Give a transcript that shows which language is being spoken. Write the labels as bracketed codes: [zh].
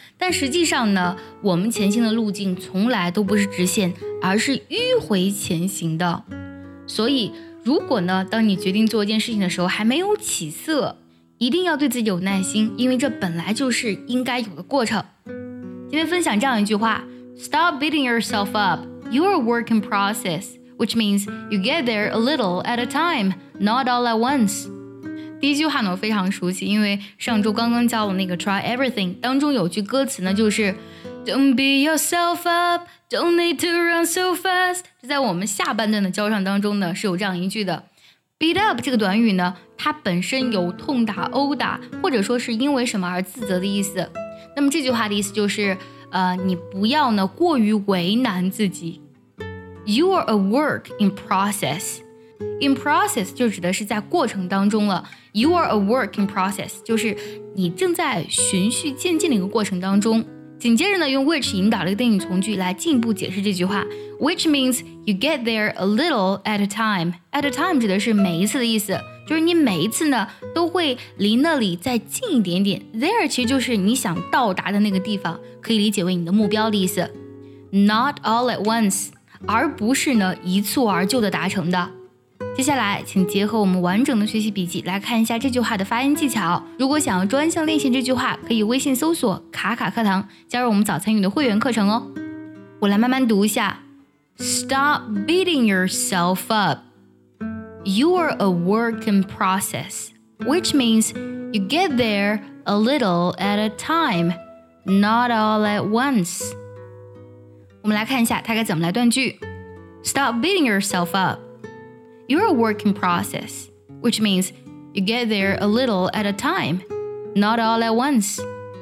[zh] 但实际上呢，我们前行的路径从来都不是直线，而是迂回前行的。所以如果呢，当你决定做一件事情的时候还没有起色，一定要对自己有耐心，因为这本来就是应该有的过程。今天分享这样一句话， [en] Stop beating yourself up, you're a work in process, which means you get there a little at a time, not all at once. [zh] 第一句话呢，我非常熟悉，因为上周刚刚教了那个 Try Everything, 当中有句歌词呢，就是 [en] Don't beat yourself up, don't need to run so fast. [zh] 在我们下半段的教唱当中呢，是有这样一句的。Beat up 这个短语呢，它本身有痛打、殴打，或者说是因为什么而自责的意思。那么这句话的意思就是，你不要呢过于为难自己。 [en] You are a work in process. [zh] In process 就指的是在过程当中了。 [en] You are a work in process [zh] 就是你正在循序渐进的一个过程当中。紧接着呢，用 which 引导了一个定语从句来进一步解释这句话。 [en] Which means you get there a little at a time. [zh] At a time 指的是每一次的意思，就是你每一次呢都会离那里再近一点点。 There 其实就是你想到达的那个地方，可以理解为你的目标的意思。 [en] Not all at once. [zh] 而不是呢一蹴而就的达成的。接下来请结合我们完整的学习笔记来看一下这句话的发音技巧。如果想要专项练习这句话，可以微信搜索卡卡课堂，加入我们早餐语的会员课程哦。我来慢慢读一下。 [en] Stop beating yourself up. You are a work in process, which means you get there a little at a time, not all at once. [zh] 我们来看一下它该怎么来断句。 [en] Stop beating yourself up. You're a work in process, which means you get there a little at a time, not all at once.